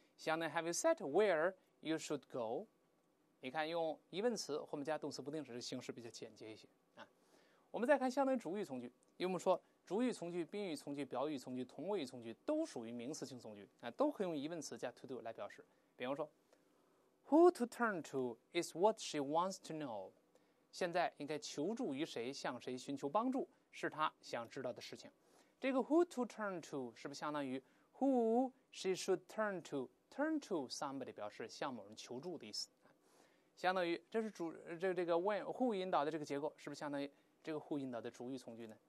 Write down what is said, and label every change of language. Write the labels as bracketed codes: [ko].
[zh] 相当于 [en] Have you set where you should go？ [zh] 你看，用疑问词后面加动词不定式，形式比较简洁一些啊。我们再看相当于主语从句，因为我们说主语从句、宾语从句、表语从句、同位语从句都属于名词性从句啊，都可以用疑问词加 to do 来表示。比方说 [en] ，Who to turn to is what she wants to know。 [zh] 现在应该求助于谁，向谁寻求帮助，是她想知道的事情。这个 [en] who to turn to [zh] 是不是相当于 [en] who she should turn to？ Turn to somebody [zh] 表示向某人求助的意思，相当于这是主这个 when who 引导的这个结构，是不是相当于这个 who 引导的主语从句呢？